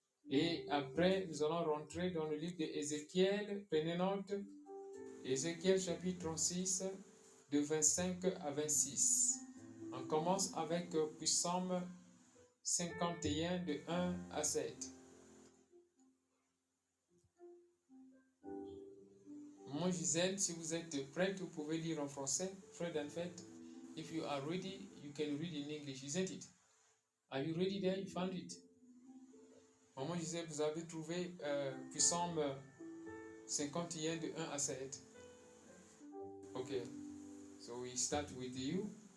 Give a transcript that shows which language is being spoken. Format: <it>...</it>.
<fr>Et après, nous allons rentrer dans le livre d'Ézéchiel, prenez note, Ézéchiel chapitre 36, de 25 à 26. On commence avec Psaume 51 de 1 à 7. Mon Gisèle, si vous êtes prête, vous pouvez lire en français.</fr> <en>Fred and Fred, if you are ready, you can read in English, isn't it? Are you ready there? You found it?</en> <fr>Maman Gisèle, vous avez trouvé Psaume 51 de 1 à 7.</fr> <en>Ok. So we start with you.</en>